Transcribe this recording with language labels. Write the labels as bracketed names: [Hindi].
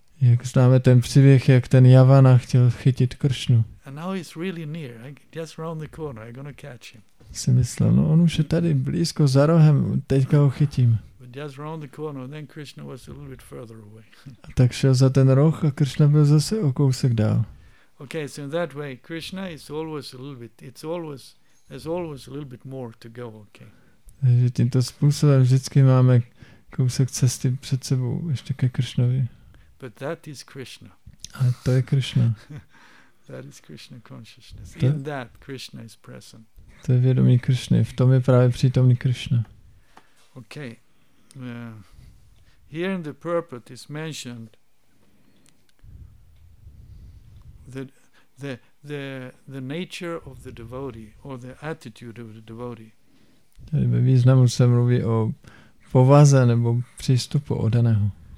[Czech] Jak známe ten příběh, jak ten Yavana chtěl chytit Krishnu. [English] And now he's really near. Just around the corner. I'm gonna catch him. [Czech] Si myslel, no on už je tady blízko za rohem, teďka ho chytím. [English] Just round the corner, then Krishna was a little bit further away. [Czech] A tak šel za ten roh a Krishna byl zase o kousek dál. [English] Okay, so in that way, Krishna is always a little bit. It's always there's always a little bit more to go. Okay. [Czech] Takže tímto způsobem vždycky máme kousek cesty před sebou ještě ke Krishnovi. [English] But that is Krishna. [Czech] A to je Krishna. [English] That is Krishna consciousness. To, in that, Krishna is present. [Czech] To je vědomí Krishny. V tom je právě přítomný Krishna. [English] Okay. Here in the purport is mentioned the nature of the devotee or the attitude of the devotee. [Czech] Tady ve významu se mluví o povaze nebo přístupu oddaného.